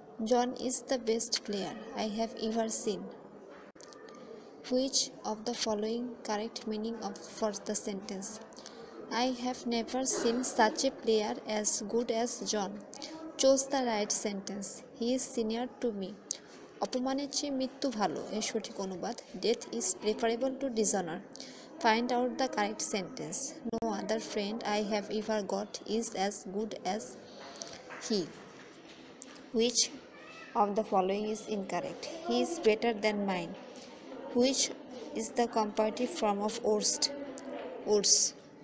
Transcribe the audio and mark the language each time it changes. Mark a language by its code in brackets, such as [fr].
[en] John is the best player I have ever seen. Which of the following correct meaning of for the sentence? I have never seen such a player as good as John. Choose the right sentence. He is senior to me. [bn] অপমানের চেয়ে মৃত্যু ভালো, এর সঠিক অনুবাদ [en] Death is preferable to dishonour. Find out the correct sentence. No other friend I have ever got is as good as he. Which of the following is incorrect? He is better than mine. Which is the comparative form of worst? Worse.